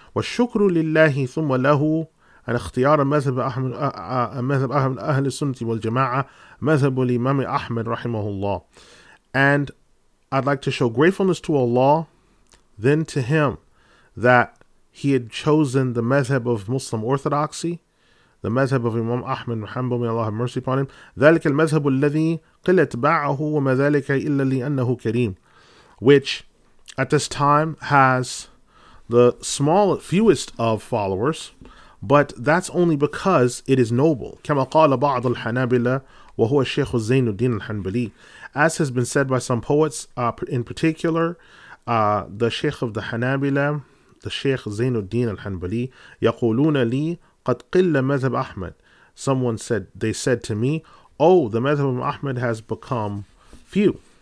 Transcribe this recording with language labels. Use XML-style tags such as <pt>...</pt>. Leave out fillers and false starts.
<ar>وَالشُّكْرُ لِلَّهِ ثُمَّ لَهُ أَنْ اخْتِيَارَ مَذْهَبَ أَهْلِ السُّنَّةِ وَالْجَمَاعَةَ مَذْهَبُ الْإِمَامِ أَحْمَدْ رَحِمَهُ اللَّهُ.</ar> <en>And I'd like to show gratefulness to Allah, then to him, that he had chosen the madhab of Muslim orthodoxy, the madhab of Imam Ahmad Muhammad, may Allah have mercy upon him.</en> <ar>ذلك المذهب الذي قل اتباعه وما ذلك إلا لأنه كريم.</ar> <en>Which at this time has the small fewest of followers, but that's only because it is noble.</en> <ar>كما قال بعض الحنابلة وهو الشيخ زين الدين الحنبلي.</ar> <en>As has been said by some poets, in particular, the Sheikh of the Hanabila, the Sheikh Zain al-Din al-Hanbali,</en> <ar>يَقُولُونَ لِي قَدْ قِلَّ مَذْهَبْ أَحْمَدْ.</ar> <en>Someone said, they said to me, oh, the madhab of Ahmad has become few.</en>